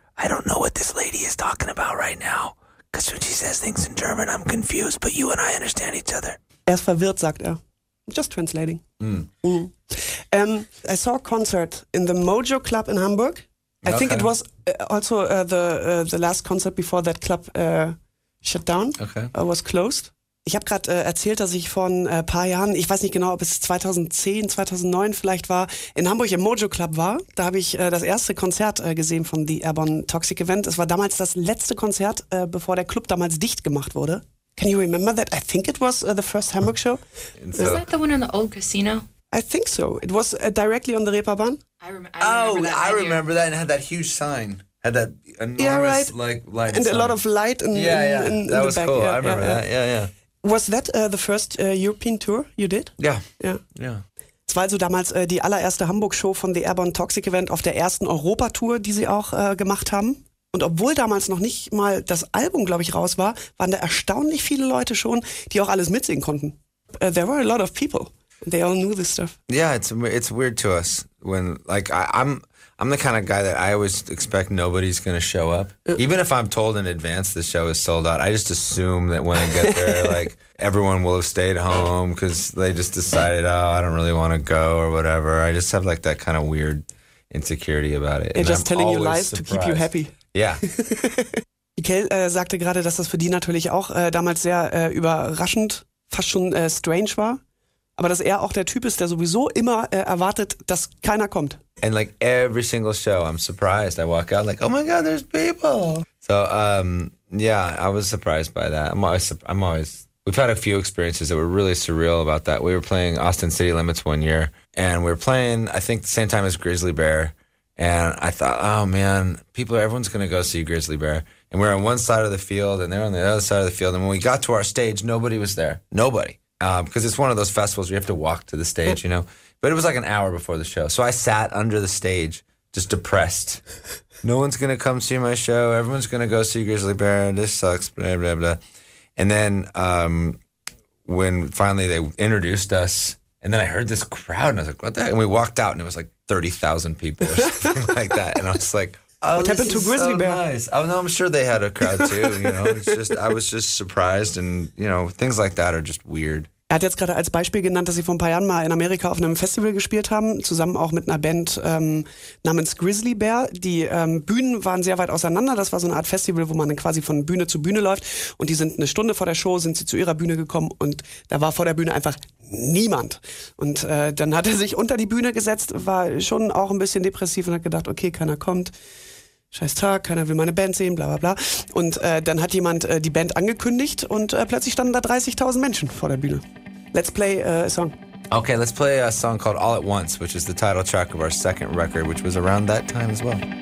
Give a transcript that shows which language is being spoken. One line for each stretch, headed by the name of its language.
English: I don't know what this lady is talking about right now. Because when she says things in German, I'm confused. But you and I understand each other.
German: Er ist verwirrt, sagt er.
English: Just translating. Mm. Mm. I saw a concert in the Mojo Club in Hamburg. I think it was also the last concert before that club shut down. Okay. Was closed.
German: Ich habe gerade erzählt, dass ich vor ein paar Jahren, ich weiß nicht genau, ob es 2010, 2009 vielleicht war, in Hamburg im Mojo Club war. Da habe ich das erste Konzert gesehen von The AIRBORNE Toxic Event. Es war damals das letzte Konzert, bevor der Club damals dicht gemacht wurde.
English: Can you remember that? I think it was the first Hamburg show. Is that the one in the old casino? I think so. It was directly on the Reeperbahn. I remember that and had that huge sign. Had that enormous light. And sign. A lot of light in, yeah, in, yeah. In that the was back. Cool. Yeah, I remember yeah, that. Yeah, yeah. Was that the first European tour you did? Yeah. Yeah. Yeah.
German: Es war also damals die allererste Hamburg-Show von The AIRBORNE Toxic Event auf der ersten Europa-Tour, die sie auch gemacht haben. Und obwohl damals noch nicht mal das Album, glaube ich, raus war, waren da erstaunlich viele Leute schon, die auch alles mitsingen konnten.
English: There were a lot of people. They all knew this stuff. Yeah, it's weird to us when, like, I'm the kind of guy that I always expect nobody's going to show up. Even if I'm told in advance the show is sold out, I just assume that when I get there, like, everyone will have stayed home because they just decided, oh, I don't really want to go or whatever. I just have, like, that kind of weird insecurity about it. And just I'm telling you lies surprised. To keep you happy. Yeah.
German: Mikkel sagte gerade, dass das für die natürlich auch damals sehr überraschend, fast schon strange war. Aber dass er auch der Typ ist, der sowieso immer erwartet, dass keiner kommt.
English: And like every single show, I'm surprised. I walk out like, oh my God, there's people. So yeah, I was surprised by that. I'm always, we've had a few experiences that were really surreal about that. We were playing Austin City Limits one year and we were playing, I think the same time as Grizzly Bear. And I thought, oh man, everyone's going to go see Grizzly Bear. And we're on one side of the field and they're on the other side of the field. And when we got to our stage, nobody was there. Nobody. Because it's one of those festivals where you have to walk to the stage, you know. But it was like an hour before the show. So I sat under the stage, just depressed. No one's going to come see my show. Everyone's going to go see Grizzly Bear. This sucks, blah, blah, blah. And then when finally they introduced us, and then I heard this crowd, and I was like, what the heck? And we walked out, and it was like 30,000 people or something like that. And I was like, oh, what happened to Grizzly Bear? Nice. Oh, no, I'm sure they had a crowd too. You know, it's just, I was just surprised. And, you know, things like that are just weird.
German: Er hat jetzt gerade als Beispiel genannt, dass sie vor ein paar Jahren mal in Amerika auf einem Festival gespielt haben, zusammen auch mit einer Band namens Grizzly Bear. Die Bühnen waren sehr weit auseinander. Das war so eine Art Festival, wo man dann quasi von Bühne zu Bühne läuft. Und die sind eine Stunde vor der Show, sind sie zu ihrer Bühne gekommen und da war vor der Bühne einfach niemand. Und dann hat er sich unter die Bühne gesetzt, war schon auch ein bisschen depressiv und hat gedacht, okay, keiner kommt. Scheiß Tag, keiner will meine Band sehen, bla bla bla. Und dann hat jemand die Band angekündigt und plötzlich standen da 30.000 Menschen vor der Bühne.
English: Let's play a song. Okay, let's play a song called All at Once, which is the title track of our second record, which was around that time as well.